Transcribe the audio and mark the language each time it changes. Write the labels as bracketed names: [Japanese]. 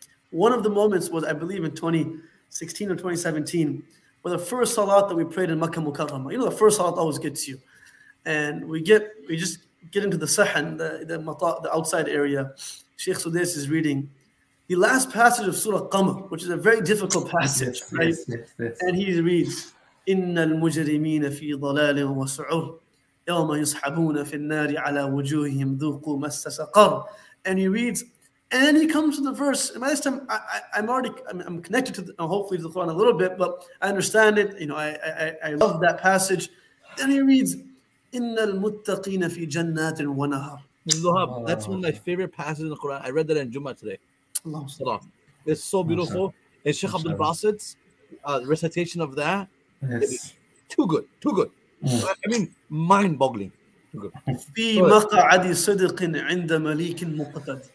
[English] One of the moments was, I believe, in 2016 or 2017, where the first salat that we prayed in Makkah Mukarramah. You know, the first salat always gets you. And we just get into the sahan, the outside area. Sheikh Sudais is reading the last passage of Surah Qamar, which is a very difficult passage. Yes, right? Yes. And he reads, [Arabic] إِنَّ الْمُجْرِمِينَ فِي ضَلَالٍ وَسُعُرٍ يَوْمَ يُسْحَبُونَ فِي النَّارِ عَلَى وُجُوهِهِمْ ذُوقُوا مَسَّ سَقَرٍ. [English] And he reads, and then he comes to the verse. And by this time, I'm connected to hopefully to the Quran a little bit, but I understand it. You know, I love that passage. Then he reads, [Arabic] إِنَّ الْمُتَّقِينَ فِي جَنَّاتٍ وَنَهَرٍ. [English] That's one of my favorite passages in the Quran. I read that in Jummah today. Allah. It's so beautiful. And Sheikh Abdul Basit's recitation of that. Yes. Too good. Mm. I mean, mind-boggling. [Arabic] في مقعد صدق عند ملك مقتد.